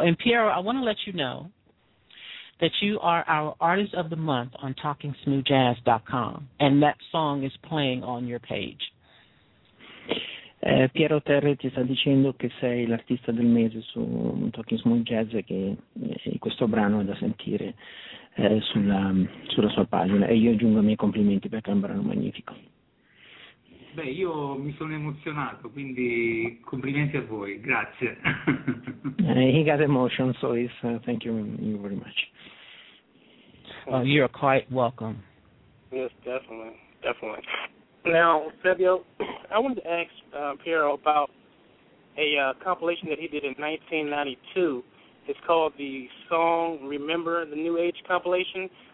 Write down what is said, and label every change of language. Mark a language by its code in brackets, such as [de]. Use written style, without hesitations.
[en] And Piero, I want to let you know that you are our Artist of the Month on TalkingSmoothJazz.com, and that song is playing on your page. [it] Piero Terri ti sta dicendo che sei l'artista del mese su Talking Smooth Jazz e che questo brano è da sentire sulla sua pagina, e io aggiungo i miei complimenti perché è un brano magnifico. Beh, io mi sono emozionato, quindi complimenti a voi, grazie. [en] He got emotion, so it's, thank you very much. You're quite welcome. Yes, definitely. Now, Fabio, I wanted to ask Piero about a compilation that he did in 1992. It's called the Song Remember the New Age compilation.